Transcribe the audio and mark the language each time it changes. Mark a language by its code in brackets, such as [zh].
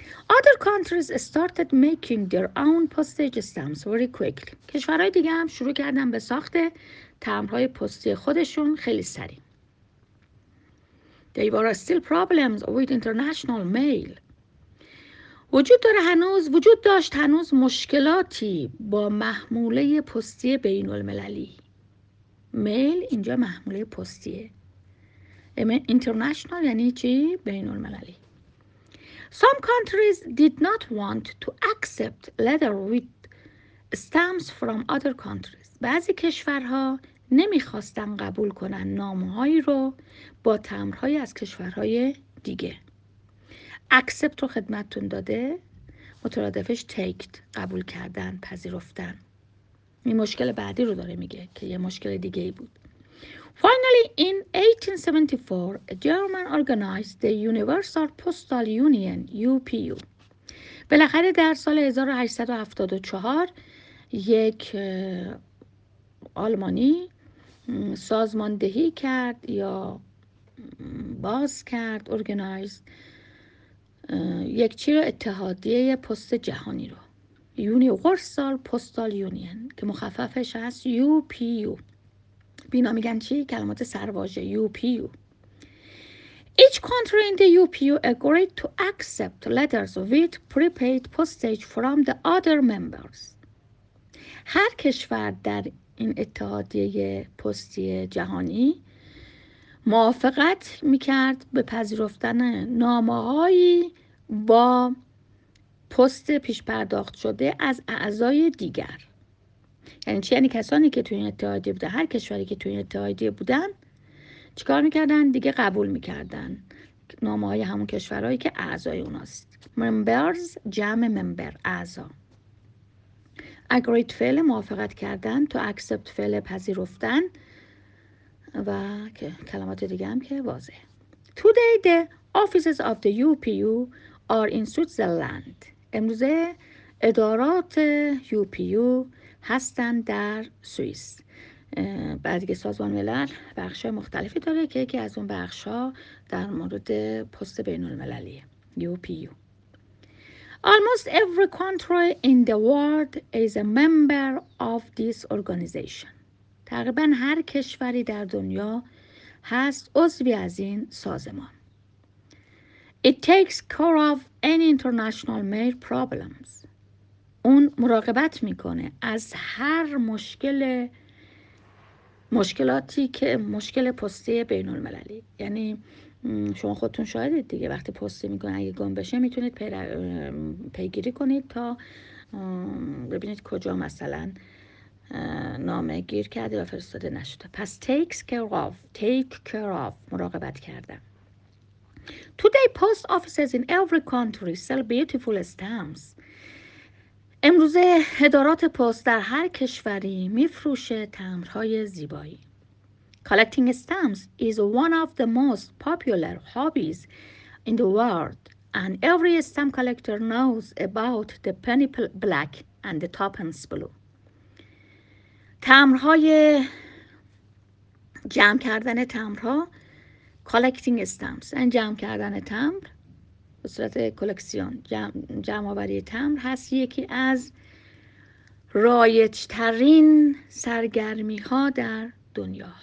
[en] Other countries started making their own postage stamps very quickly. [fa] کشورهای دیگه هم شروع کردن به ساخت تمبرهای پستی خودشون خیلی سریع. [en] There were still problems with international mail. [fa] وجود داشت هنوز مشکلاتی با محموله پستی بین المللی. میل اینجا محموله پستیه. اینترنشنال یعنی چی؟ بین المللی. [en] Some countries did not want to accept letter with stamps from other countries. [fa] بعضی کشورها نمیخواستن قبول کنن نامهایی رو با تمرهای از کشورهای دیگه. Accept رو خدمتتون داده، مترادفش تیکت، قبول کردن، پذیرفتن. این مشکل بعدی رو داره میگه که یه مشکل دیگه بود. [en] Finally in 1874 a German organized the Universal Postal Union UPU. [fa] بالاخره در سال 1874 یک آلمانی سازماندهی کرد یا باز کرد، ارگنایزد یک چی رو، اتحادیه پست جهانی رو، یونیورسال پستال یونین که مخففش هست یو پی یو. بینا میگن چی؟ کلمات سرواژه یو پی یو. [en] Each country in the UPU agreed to accept letters with prepaid postage from the other members. [fa] هر کشور در این اتحادیه پستی جهانی موافقت میکرد به پذیرفتن نامه‌هایی با پست پیش پرداخت شده از اعضای دیگر. یعنی چی؟ یعنی کسانی که توی این اتحادیه بودن، هر کشوری که توی این اتحادیه بودن چیکار میکردن؟ دیگه قبول میکردن نامه های همون کشورهایی که اعضای اوناست. Members، جمع member، اعضا. Agreed، فعل موافقت کردن. To accept، فعل پذیرفتن. و کلمات دیگه هم که واضحه. [en] Today the offices of the UPU are in Switzerland. [fa] امروزه ادارات UPU هستن در سوئیس. بعد که سازمان ملل بخش‌های مختلفی داره که یکی از اون بخش‌ها در مورد پست بین‌المللیه، UPU. [en] Almost every country in the world is a member of this organization. [fa] تقریبا هر کشوری در دنیا هست عضوی از این سازمان. [en] It takes care of any international mail problems. [fa] اون مراقبت می‌کنه از هر مشکل پستی بین المللی. یعنی شما خودتون شاهدید دیگه، وقتی پستی میکنه اگه گم بشه میتونید پیگیری کنید تا ببینید کجا مثلا نامه گیر کرده و فرستاده نشده. پس [en] take care of [fa] مراقبت کردن. [en] Today post offices in every country sell beautiful stamps. [fa] امروزه ادارات پست در هر کشوری میفروشه تمبرهای زیبایی. [en] Collecting stamps is one of the most popular hobbies in the world and every stamp collector knows about the penny black and the twopence blue. [fa] تمبرهای جمع کردن تمبرها، [en] collecting stamps، [fa] این جمع کردن تمبر به صورت کلکسیون، جمع‌آوری تمبر هست یکی از رایج‌ترین سرگرمی‌ها در دنیا.